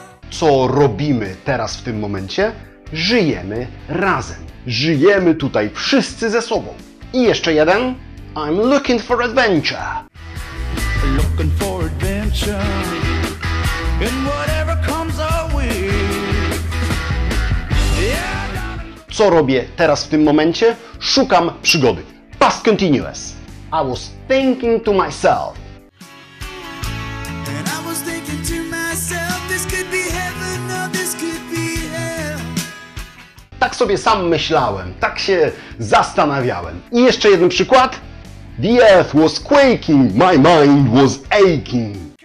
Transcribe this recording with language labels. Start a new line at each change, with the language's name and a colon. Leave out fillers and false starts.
Polish: Co robimy teraz w tym momencie? Żyjemy razem. Żyjemy tutaj wszyscy ze sobą. I jeszcze jeden.
English: I'm looking for adventure. Looking for adventure. In whatever comes our way. Yeah.
Polish: Co robię teraz w tym momencie? Szukam przygody. Past continuous.
English: I was thinking to myself.
Polish: Tak sobie sam myślałem, tak się zastanawiałem. I jeszcze jeden przykład.
English: The earth was quaking, my mind was aching.